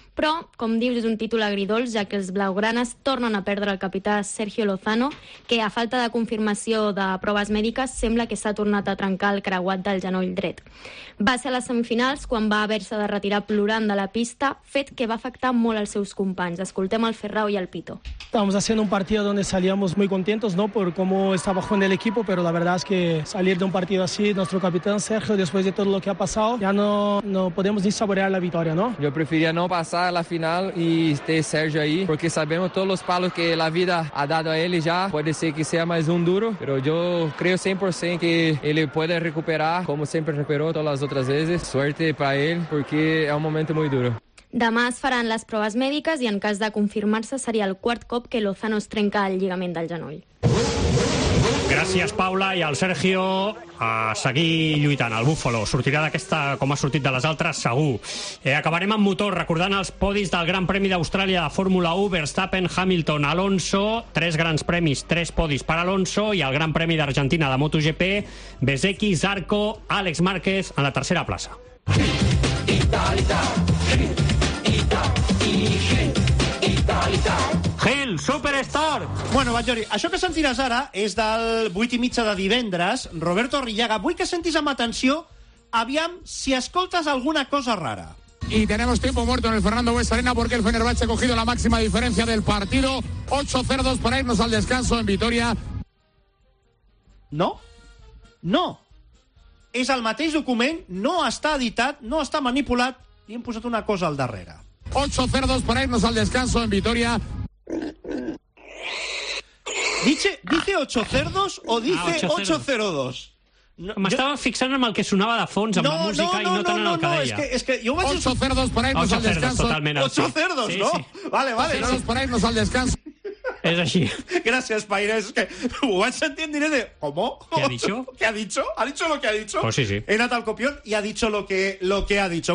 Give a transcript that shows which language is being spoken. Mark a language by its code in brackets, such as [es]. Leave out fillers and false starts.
[ca] Però, com dius, és un títol agridolç, ja que els blaugranes tornen a perdre el capità Sergio Lozano, que a falta de confirmació de proves mèdiques sembla que s'ha tornat a trencar el creuat del genoll dret. Va ser a les semifinals quan va haver-se de retirar plorant de la pista, fet que va afectar molt els seus companys. Escoltem el Ferrao i el Pito. [es] Estábamos haciendo un partido donde salíamos muy contentos, ¿no?, por cómo estaba jugando el equipo, pero la verdad es que salir de un partido así, nuestro capitán Sergio, después de todo lo que ha pasado, ya no podemos ni saborear la victoria, ¿no? Yo prefería no pasar la final [pt] y ter Sérgio aí, [es] porque sabemos todos los palos que la vida ha dado [pt] a ele já, pode ser que seja mais um duro, [es] pero yo creo 100% [pt] que ele pode recuperar, como sempre recuperou todas as outras vezes, suerte para ele, porque é um momento muito duro. [ca] Demà es faran les proves mèdiques i en cas de confirmar-se seria el quart cop que Lozano es trenca el lligament del genoll. Gràcies, Paula, i al Sergio a seguir lluitant. El Búfalo sortirà d'aquesta com ha sortit de les altres, segur. Acabarem amb motor, recordant els podis del Gran Premi d'Austràlia de Fórmula 1, Verstappen, Hamilton, Alonso, tres grans premis, tres podis per Alonso, i el Gran Premi d'Argentina de MotoGP, Bezzecchi, Zarco, Àlex Márquez en la tercera plaça. [en] Superstar! [ca] Bueno, Valori, això que sentiràs ara és del 8:30 de divendres. Roberto Arrillaga, vull que sentis amb atenció, aviam si escoltes alguna cosa rara. [es] Y tenemos tiempo muerto en el Fernando West Arena porque el Fenerbahce ha cogido la máxima diferencia del partido. 8-0 para irnos al descanso en Vitoria. [ca] No, no. És el mateix document, no està editat, no està manipulat, i hem posat una cosa al darrere. [es] 8-0 para irnos al descanso en Vitoria. Dice 8 cerdos o dice 8-0-2? [ca] No, m'estava fixant amb el que sonava de fons, amb la música, no, i no tant no, en el que deia. És que jo vaig... [es] 8 cerdos per aïnos al descanso. 8 cerdos, sí. Cerdos sí, no? Sí. Vale. 8 cerdos per aïnos al descanso. [ca] És així. Gràcies, Paire. És que ho vaig sentir en directe. [es] ¿Cómo? ¿Qué ha dicho? ¿Ha dicho lo que ha dicho? Pues sí, sí. [ca] He anat al [es] copión y ha dicho lo que ha dicho.